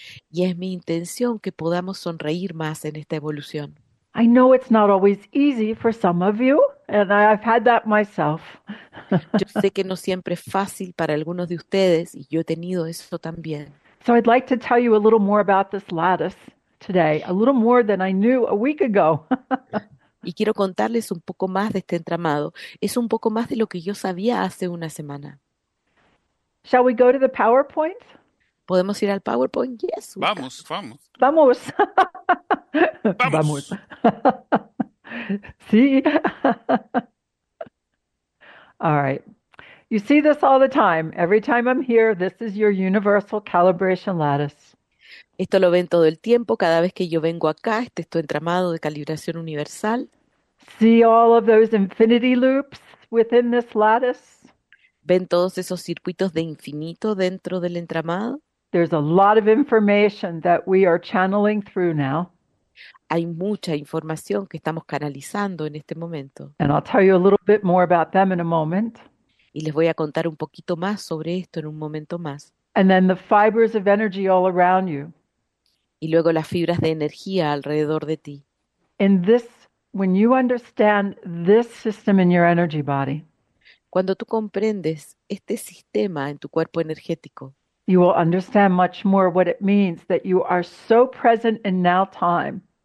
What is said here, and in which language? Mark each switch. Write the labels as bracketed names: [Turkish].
[Spanish] Y es mi intención que podamos sonreír más en esta evolución. [English] I know it's not always easy for some of you, and I've had that myself. [Spanish] Yo sé que no siempre es fácil para algunos de ustedes, y yo he tenido eso también. [English] So I'd like to tell you a little more about this lattice today, a little more than I knew a week ago. [Spanish] Y quiero contarles un poco más de este entramado. Es un poco más de lo que yo sabía hace una semana. [English] Shall we go to the PowerPoint? [Spanish] ¿Podemos ir al PowerPoint? [English] Yes. [Spanish] Vamos, vamos. Vamos. Vamos. Sí. [English] All right. You see this all the time. Every time I'm here, this is your universal calibration lattice. [Spanish] Esto lo ven todo el tiempo. Cada vez que yo vengo acá, este es tu entramado de calibración universal. [English] See all of those infinity loops within this lattice. [Spanish] ¿Ven todos esos circuitos de infinito dentro del entramado? [English] There's a lot of information that we are channeling through now. [Spanish] Hay mucha información que estamos canalizando en este momento. [English] And I'll tell you a little bit more about them in a moment. [Spanish] Y les voy a contar un poquito más sobre esto en un momento más. [English] And then the fibers of energy all around you. [Spanish] Y luego las fibras de energía alrededor de ti. [English] In this, when you understand this system in your energy body, [Spanish] cuando tú comprendes este sistema en tu cuerpo energético, [English] you will understand much more what it means that you are so present in now time.